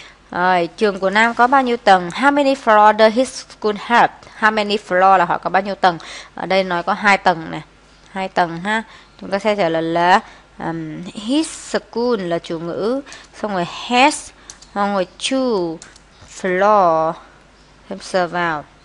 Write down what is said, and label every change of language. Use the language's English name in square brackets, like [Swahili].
[Vietnamese] Rồi, trường của Nam có bao nhiêu tầng? [English] How many floor does his school have? How many floor [Vietnamese] là hỏi có bao nhiêu tầng? Ở đây nói có 2 tầng nè. 2 tầng ha. Chúng ta sẽ trả lời là his school là chủ ngữ, xong rồi has, xong rồi two floor, thêm sờ vào.